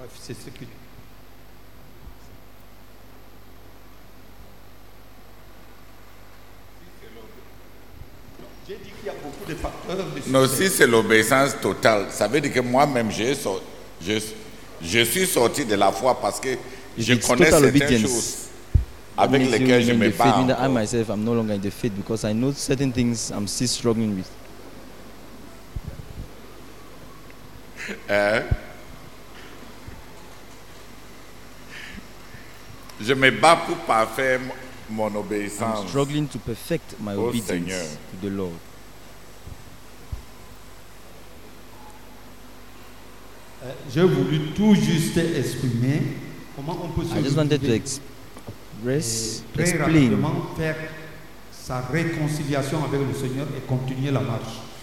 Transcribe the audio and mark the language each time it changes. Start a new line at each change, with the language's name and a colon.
French: C'est ce que non, si c'est l'obéissance totale, ça veut dire que moi-même, je suis sorti de la foi parce que je connais certaines choses avec lesquelles je me bats.
English: Faith, I myself am no longer in the faith because I know certain things I'm still struggling with.
French: Je me bats pour parfaire mon obéissance.
English: I'm struggling to perfect my obedience to the Lord.
French: J'ai voulu tout juste exprimer comment on peut se
English: I just wanted to express,
French: très
English: explain.
French: Rapidement faire sa réconciliation avec le Seigneur et continuer la marche.